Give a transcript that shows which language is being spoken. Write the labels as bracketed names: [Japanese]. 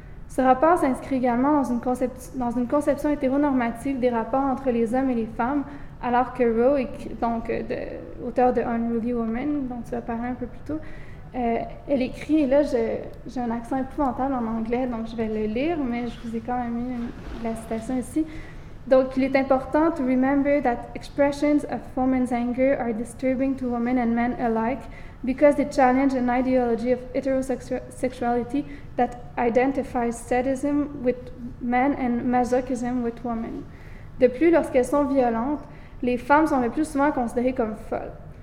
[French] Ce rapport s'inscrit également dans une conception hétéronormative des rapports entre les hommes et les femmes, alors que Rowe, auteur de Unruly Woman, dont tu as parlé un peu plus tôt, elle écrit, et là j'ai un accent épouvantable en anglais, donc je vais le lire, mais je vous ai quand même mis la citation ici. Donc, il est important [English] to remember that expressions of women's anger are disturbing to women and men alike because they challenge an ideology of heterosexuality that identifies sadism with men and masochism with women. [French] De plus, lorsqu'elles sont violentes, les femmes sont le plus souvent considérées comme folles.